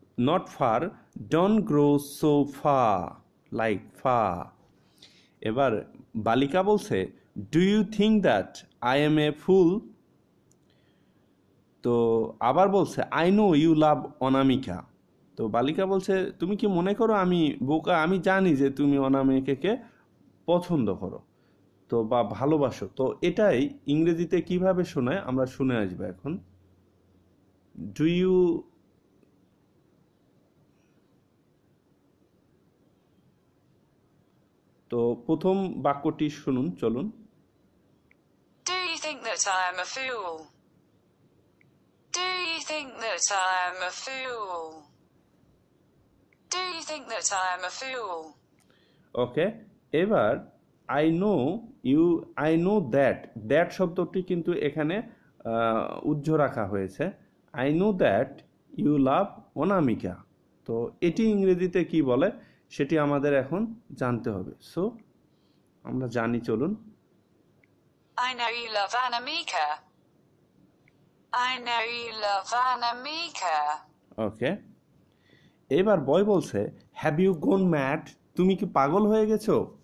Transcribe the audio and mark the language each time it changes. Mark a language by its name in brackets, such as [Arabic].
[English] Not far, don't grow so far, like far. [Bangla] এবার বালিকা বলছে, [English] do you think that I am a fool? [Bangla] তো আবার বলছে, [English] I know you love [Bangla] অনামিকা। তো বালিকা বলছে, তুমি কি মনে করো আমি বোকা, আমি জানি যে তুমি অনামিকাকে পছন্দ করো তো বা ভালোবাসো। তো এটাই ইংরেজিতে কিভাবে শোনায় আমরা শুনে আসবো এখন। [English] Do you [Bangla] তো প্রথম বাক্যটি শুনুন, চলুন। [English] Do you think that I am a fool? Do you think that I am a fool? Do you think that I am a fool? Okay, এবার I know you, I know that, that [Bangla] শব্দটি কিন্তু এখানে উজ্জ্ব রাখা হয়েছে। [English] I know that you love Onamika. [Bangla] তো এটি ইংরেজিতে কি বলে সেটি আমাদের এখন জানতে হবে। সো আমরা জানি, চলুন। [English] I know you love Onamika. I know you love Onamika. [Bangla] ওকে, এবার বয় বলছে, [English] have you gone mad, [Bangla] তুমি কি পাগল হয়ে গেছো?